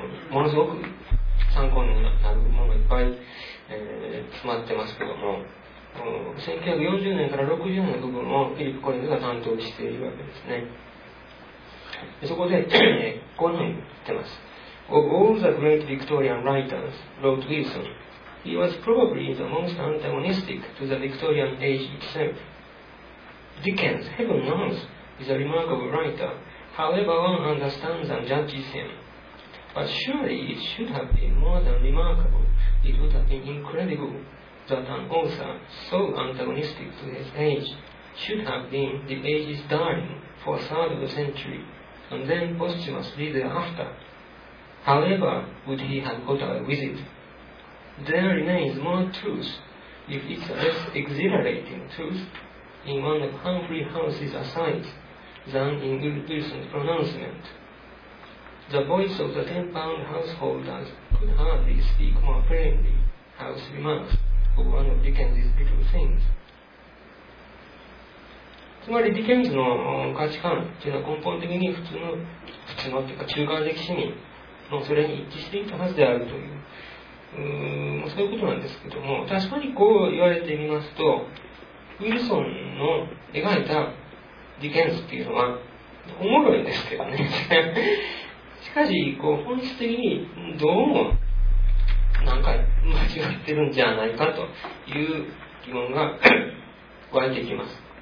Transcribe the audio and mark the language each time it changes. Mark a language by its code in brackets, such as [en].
[ja] ものすごく参考になるものがいっぱい、詰まってますけども。 1940年から60年の部分をフィリップ・コリンズが担当しているわけですね。でそこで、こういうふうに言ってます。 [en] Of all the great Victorian writers, wrote Wilson, he was probably the most antagonistic to the Victorian age itself. Dickens, heaven knows, is a remarkable writer, however one understands and judges him. But surely it should have been more than remarkable, it would have been incredible. That an author so antagonistic to his age should have been the age's darling for a third of a century, and then posthumously thereafter. However, would he have got away with it? There remains more truth, if it's a less exhilarating truth, in one of Humphrey House's asides than in Wilson's pronouncement. The voice of the 10-pound householders could hardly speak more plainly, House remarks. One of Dickens's little things. [ja] つまりディケンズの価値観というのは根本的に普通のというか中間的市民のそれに一致していたはずであるという、そういうことなんですけども、確かにこう言われてみますと、ウィルソンの描いたディケンズというのはおもろいんですけどねしかしこう本質的にどうもなんか間違ってるんじゃないかという疑問が湧いてきます。